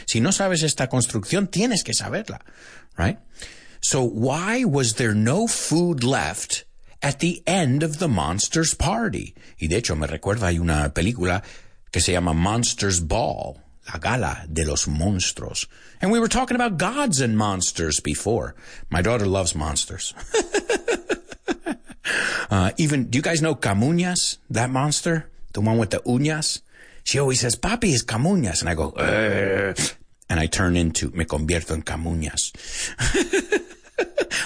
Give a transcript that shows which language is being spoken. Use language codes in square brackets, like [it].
[es] Si no sabes esta construcción, tienes que saberla, right? [en] So why was there no food left at the end of the monster's party? [es] Y de hecho, me recuerda, hay una película que se llama Monster's Ball, la gala de los monstruos. [en] And we were talking about gods and monsters before. My daughter loves monsters. do you guys know Camuñas, that monster? The one with the uñas? She always says, [es] Papi, es Camuñas. [en] And I go, and I turn into, [es] me convierto en Camuñas.